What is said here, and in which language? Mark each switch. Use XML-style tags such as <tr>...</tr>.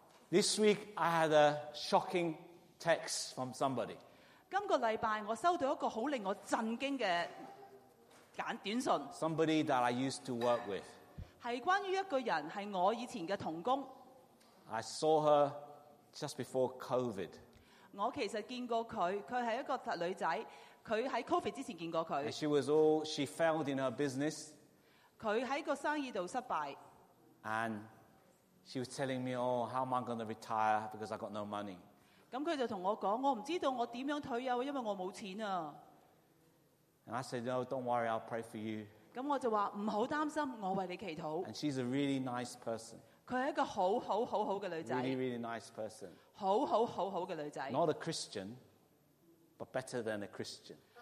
<en>This week, I had a shocking text from somebody.</en> <zh>今个礼拜,我收到一个很令我震惊的</zh> <en>Somebody that I used to work with.</en> <zh>是关于一个人,是我以前的同工。</zh> <en>I saw her just before COVID.</en> <zh>我其实见过她,她是一个女孩,她在COVID之前见过她。</zh> <en>And she was all, she failed in her business.</en> <zh>她在生意上失败。</zh> <en>And she was telling me, oh, how am I going to retire because I got no money?</en> <zh>她就跟我说,我不知道我怎样退休,因为我没有钱。</zh> <en>And I said, no, don't worry, I'll pray for you.</en> <zh>我就說,不要擔心,我為你祈禱。</zh> <en>And she's a really nice person.</en> <zh>她是一個很好的女孩。</zh> <en>Really, really nice person.</en> <zh>很好的女孩。</zh> <en>Not a Christian, but better than a Christian.</en>